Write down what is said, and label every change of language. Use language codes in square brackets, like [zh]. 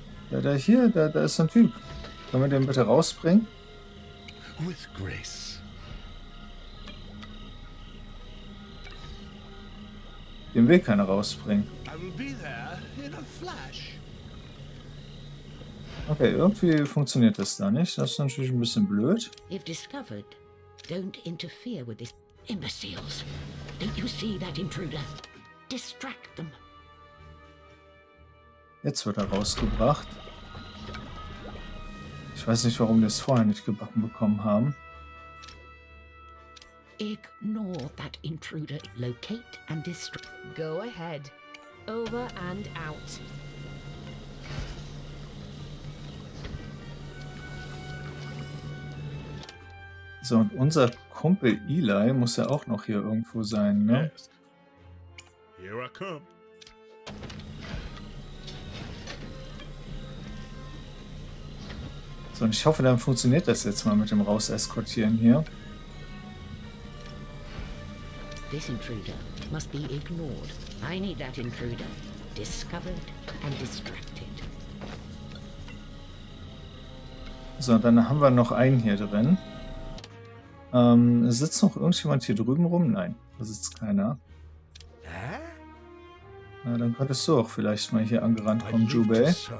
[de] Da ist ein Typ. Können wir den bitte rausbringen? [en] With grace. [de] Den will keiner rausbringen. [en] I will be there in a flash. [de] Okay, irgendwie funktioniert das da nicht. Das ist natürlich ein bisschen blöd. [en] If discovered, don't interfere with this imbeciles. Don't you see that intruder? Distract them. [de] Jetzt wird er rausgebracht. Ich weiß nicht, warum wir es vorher nicht gebacken bekommen haben. [en] Ignore that intruder. Locate and destroy. Go ahead. Over and out. [de] So, und unser Kumpel Eli muss ja auch noch hier irgendwo sein, ne? [en] Yes. Here I come. [de] So, und ich hoffe, dann funktioniert das jetzt mal mit dem Rauseskortieren hier. [en] This intruder must be ignored. I need that intruder discovered and distracted. [de] So, dann haben wir noch einen hier drin. Sitzt noch irgendjemand hier drüben rum? Nein, da sitzt keiner. Na, dann könntest du auch vielleicht mal hier angerannt kommen, Jubei.